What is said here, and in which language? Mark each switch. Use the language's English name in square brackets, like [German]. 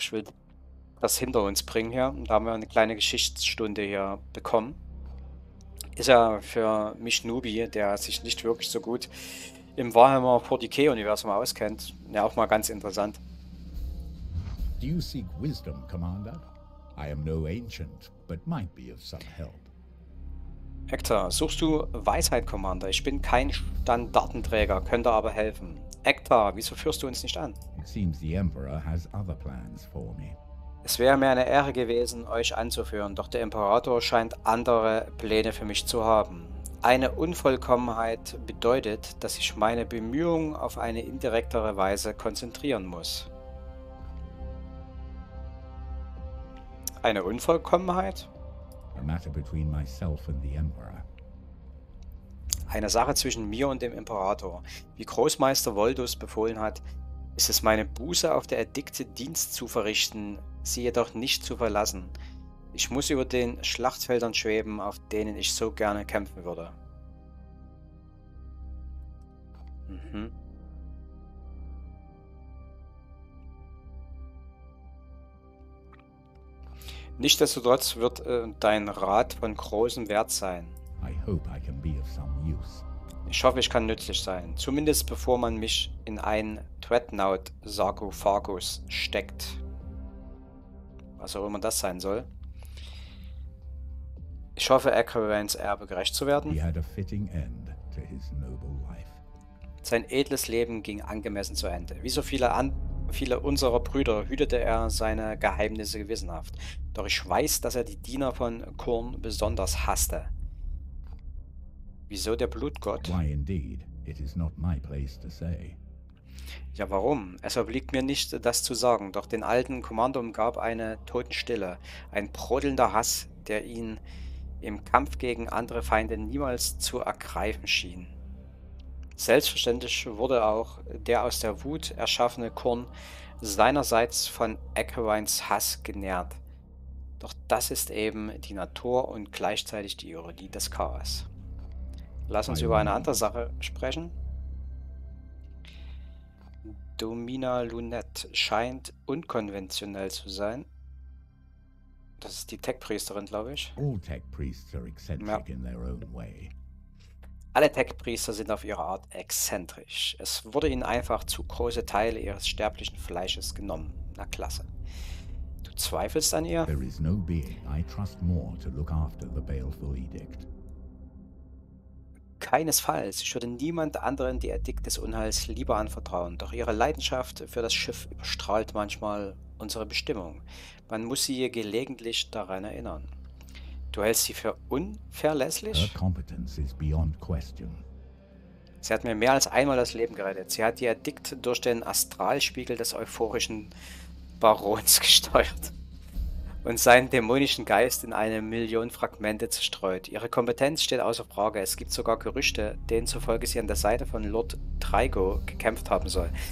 [German] Ich will das hinter uns bringen hier. Und da haben wir eine kleine Geschichtsstunde hier bekommen. Ist ja für mich Nubi, der sich nicht wirklich so gut im Warhammer 40k-Universum auskennt. Ja, auch mal ganz interessant. [English] Do you seek wisdom, Commander? I am no ancient, but might be of some help. [German] Hector, suchst du Weisheit, Commander? Ich bin kein Standartenträger, könnte aber helfen. Hector, wieso führst du uns nicht an? [English] It seems the Emperor has other plans for me. [German] Es wäre mir eine Ehre gewesen, euch anzuführen, doch der Imperator scheint andere Pläne für mich zu haben. Eine Unvollkommenheit bedeutet, dass ich meine Bemühungen auf eine indirektere Weise konzentrieren muss. Eine Unvollkommenheit? [English] A matter between myself and the Emperor. [German] Eine Sache zwischen mir und dem Imperator. Wie Großmeister Voldus befohlen hat, ist es meine Buße, auf der Edikte Dienst zu verrichten, sie jedoch nicht zu verlassen. Ich muss über den Schlachtfeldern schweben, auf denen ich so gerne kämpfen würde. Nichtsdestotrotz wird dein Rat von großem Wert sein. [English] I hope I can be of some use. [German] Ich hoffe, ich kann nützlich sein. Zumindest bevor man mich in einen Dreadnought-Sarkophagus steckt. Was auch immer das sein soll. Ich hoffe, Aquavines Erbe gerecht zu werden. [English] He had a fitting end to his noble life. [German] Sein edles Leben ging angemessen zu Ende. Wie so viele viele unserer Brüder hütete er seine Geheimnisse gewissenhaft. Doch ich weiß, dass er die Diener von Khorne besonders hasste. Wieso der Blutgott? [English] Why indeed? It is not my place to say. [German] Ja, warum? Es obliegt mir nicht, das zu sagen. Doch den alten Kommando umgab eine Totenstille, ein brodelnder Hass, der ihn im Kampf gegen andere Feinde niemals zu ergreifen schien. Selbstverständlich wurde auch der aus der Wut erschaffene Khorne seinerseits von Ekkewines Hass genährt. Doch das ist eben die Natur und gleichzeitig die Ironie des Chaos. Lass uns über eine andere Sache sprechen. Domina Lunette scheint unkonventionell zu sein. Das ist die Tech-Priesterin, glaube ich. [English] All Tech-Priests are eccentric in their own way. [German] Alle Tech-Priester sind auf ihre Art exzentrisch. Es wurde ihnen einfach zu große Teile ihres sterblichen Fleisches genommen. Na klasse. Du zweifelst an ihr? [English] There is no being I trust more to look after the baleful edict. [German] Keinesfalls. Ich würde niemand anderen die Edikt des Unheils lieber anvertrauen. Doch ihre Leidenschaft für das Schiff überstrahlt manchmal unsere Bestimmung. Man muss sie hier gelegentlich daran erinnern. Du hältst sie für unverlässlich? [English] Her competence is beyond question. [German] Sie hat mir mehr als einmal das Leben gerettet. Sie hat die Edikt durch den Astralspiegel des euphorischen Barons gesteuert und seinen dämonischen Geist in eine Million Fragmente zerstreut. Ihre Kompetenz steht außer Frage. Es gibt sogar Gerüchte, denen zufolge sie an der Seite von Lord Trigo gekämpft haben soll.